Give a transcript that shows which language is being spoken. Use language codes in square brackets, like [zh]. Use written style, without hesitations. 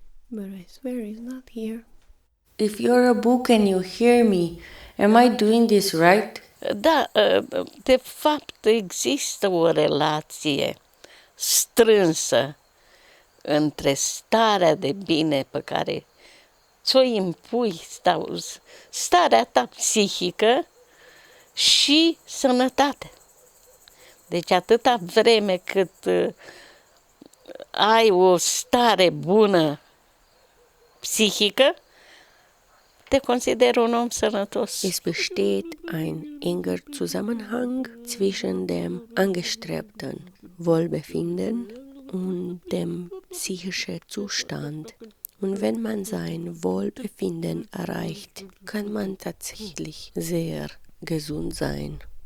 [en] But I swear he's not here. If you're a book and you hear me, am I doing this right? [ro] Da, de fapt există o relație strânsă între starea de bine pe care ți-o impui, starea ta psihică și sănătate. Deci atâta vreme cât ai o stare bună [de] psychische, [ro] te consider un om sănătos. [de] Es besteht ein enger Zusammenhang zwischen dem angestrebten Wohlbefinden und dem psychischen Zustand. Und wenn man sein Wohlbefinden erreicht, kann man tatsächlich sehr gesund sein.